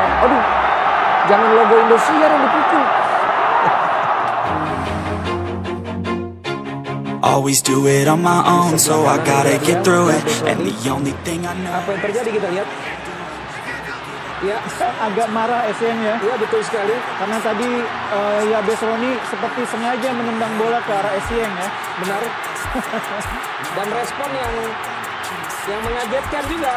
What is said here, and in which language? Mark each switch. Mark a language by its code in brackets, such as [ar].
[id] Aduh, jangan logo Indosiar yang dipukul. [en] Always do it on my own, so I gotta get through it. And the only thing I know. [id] Apa yang terjadi kita lihat? Ya, agak marah SM ya. Iya, betul sekali. Karena tadi ya Besroni seperti sengaja menendang bola ke arah SM ya. Benar. Dan respon yang mengagetkan juga.